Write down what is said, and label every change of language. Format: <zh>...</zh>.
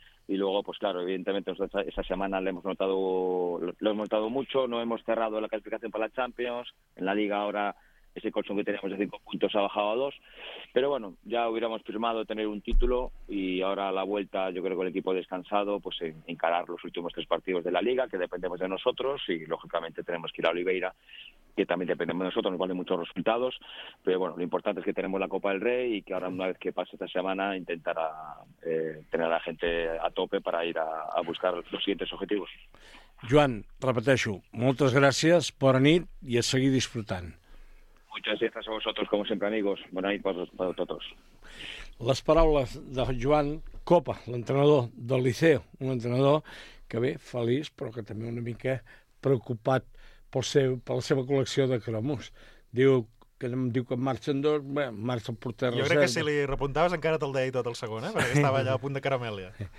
<es>Y luego, pues claro, evidentemente esa semana lo hemos notado mucho, no hemos cerrado la clasificación para la Champions, en la Liga ahora ese colchón que teníamos de 5 puntos ha bajado a 2, pero bueno, ya hubiéramos firmado tener un título y ahora a la vuelta yo creo que el equipo descansado pues encarar los últimos tres partidos de la Liga, que dependemos de nosotros y lógicamente tenemos que ir a Oliveira, que también dependemos de nosotros, nos valen muchos resultados, pero bueno, lo importante es que tenemos la Copa del Rey y que ahora una vez que pase esta semana intentará tener a la gente a tope para ir a buscar los siguientes objetivos.</es> <ca>Joan, repeteixo, moltes gràcies, bona nit i a seguir disfrutant.</ca> <es>Muchas gracias a vosotros, como siempre, amigos.</es> <ca>Bona nit</ca> <es>para todos.</es> <ca>Les paraules de Joan Copa, l'entrenador del Liceu, un entrenador que ve feliç però que també una mica preocupat per la seva col·lecció de cromos. Diu que marxen dos, bé, marxa el porter. Jo crec que si li repuntaves encara te'l deia tot el segon, perquè estava allà a punt de caramèlia.</ca>